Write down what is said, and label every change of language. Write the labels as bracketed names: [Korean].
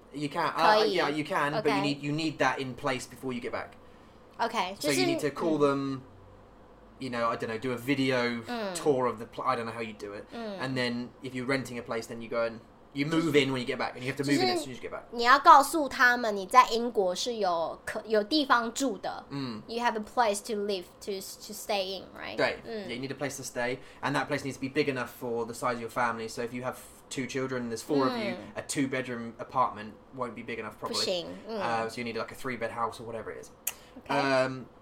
[English] You can, yeah, you can, okay. But you need that in place before you get back. Okay. So you need to call them, you know, I don't know, do a video tour of the place, I don't know how you do it. And then if you're renting a place, then you go and you move in when you get back, and you have to move in as soon as you get back. [Chinese] 你要告诉他们你在英国是有地方住的. [English] You have a place to live, to stay in, right? [Chinese] 对, [English] yeah, you need a place to stay, and that place needs to be big enough for the size of your family. So if you have two children, there's four of you, a two-bedroom apartment won't be big enough, probably. [Chinese] 不行, [English] so you need like a three-bed house or whatever it is. Okay.